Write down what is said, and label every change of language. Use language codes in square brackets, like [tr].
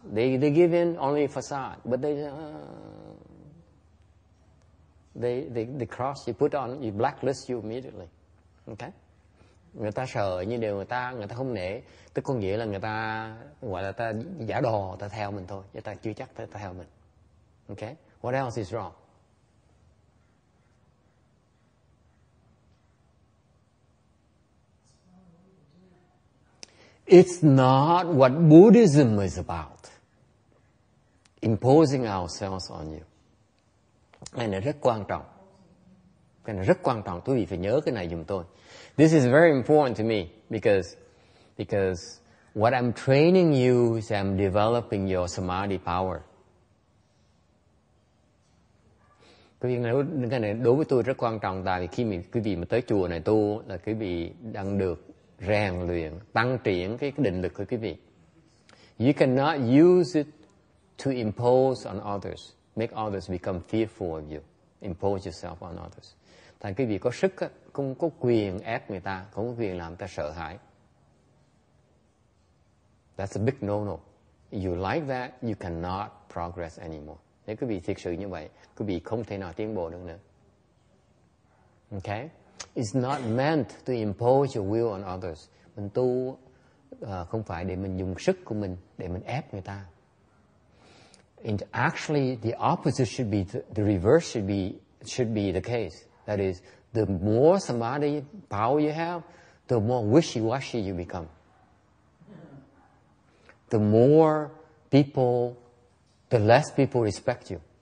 [en] They give in only a facade, but they cross. You blacklist you immediately. Okay. [vi] Người ta sợ như điều người ta không nể. Tức có nghĩa là người ta gọi là ta giả đò, ta theo mình thôi. Người ta chưa chắc ta theo mình. [en] Okay. What else is wrong? It's not what Buddhism is about, imposing ourselves on you. [vi] Cái này rất quan trọng. Cái này rất quan trọng. Quý vị phải nhớ cái này giùm tôi. [en] This is very important to me because what I'm training you is I'm developing your samadhi power. [vi] Quý vị, cái này đối với tôi rất quan trọng tại vì khi quý vị mà tới chùa này tu là quý vị đang được rèn luyện, tăng triển cái định lực của quý vị. [en] You cannot use it to impose on others, make others become fearful of you, impose yourself on others. [vi] Thành quý vị có sức, không có quyền ép người ta, không có quyền làm người ta sợ hãi. [en] That's a big no-no. You like that, you cannot progress anymore. [vi] Nếu quý vị thực sự như vậy, quý vị không thể nào tiến bộ được nữa. [en] Okay? It's not meant to impose your will on others. [vi] Mình tu không phải để mình dùng sức của mình để mình ép người ta. [en] And actually, the opposite should be the reverse should be the case. That is, the more samadhi power you have, the more wishy-washy you become. The more people, the less people respect you.